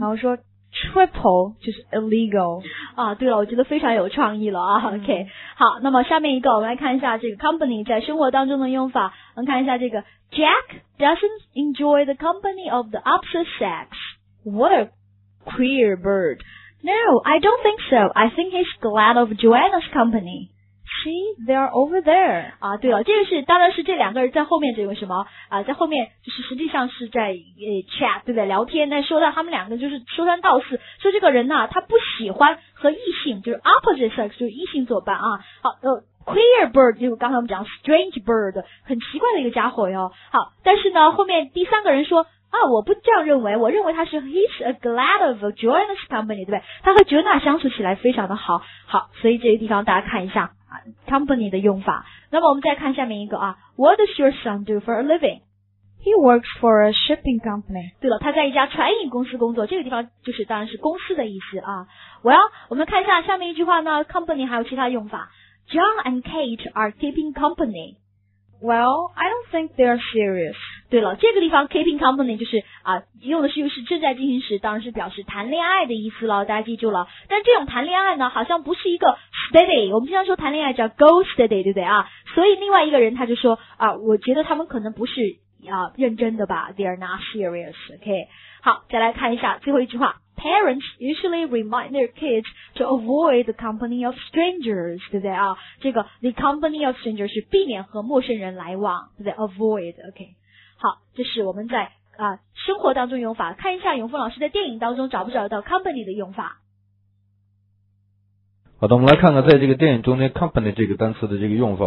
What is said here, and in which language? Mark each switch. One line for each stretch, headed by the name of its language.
Chinese: 然后说 triple 就是 illegal。啊，对了，我觉得非常有创意了啊。嗯、OK， 好，那么下面一个，我们来看一下这个 company 在生活当中的用法，我们看一下这个
English: Jack doesn't enjoy the company of the opposite sex。 What a queer bird. No, I don't think so. I think he's glad of Joanna's company. See, they are over there.
Chinese: 啊，对了，这个是当然是这两个人在后面这个什么啊，在后面就是实际上是在chat 对不对？聊天，但说到他们两个就是说三道四，说这个人呢、啊，他不喜欢和异性，就是
English: opposite sex，
Chinese: 就是异性作伴啊。好，
English: Queer bird
Chinese: 就刚才我们讲
English: strange bird，
Chinese: 很奇怪的一个家伙哟。好，但是呢，后面第三个人说。啊，我不这样认为，我认为他是
English: he's a glad of Joanna's company，
Chinese: 对不对？他和 Joanna 相处起来非常的好，好，所以这个地方大家看一下啊 ，company 的用法。
English: 那么我们再看下面一个啊 ，What does your son do for a living？ He works for a shipping company。
Chinese: 对了，他在一家船运公司工作，这个地方就是当然是公司的意思啊。 Well， 我们看一下下面一句话呢 ，company 还有其他用法 ，
English: John and Kate are keeping company。 Well, I don't think they are serious.
Chinese: 对了，这个地方
English: keeping company
Chinese: 就是啊，用的是又是正在进行时，当然是表示谈恋爱的意思了，大家记住了。但这种谈恋爱呢，好像不是一个 steady。我们经常说谈恋爱叫
English: go steady，
Chinese: 对不对啊？所以另外一个人他就说啊，我觉得他们可能不是啊认真的吧 ，
English: they are not serious.
Chinese: OK， 好，再来看一下最后一句话。
English: Parents usually remind their kids to avoid the company of strangers,
Chinese: 对不对啊？这个
English: the company of strangers
Chinese: 是避免和陌生人来往，对不对 ？Avoid, OK。好，这是我们在啊生活当中用法，看一下永峰老师在电影当中找不找到 company 的用法。好的，我们来看看在这个电影中间 company 这个单词的这个用法。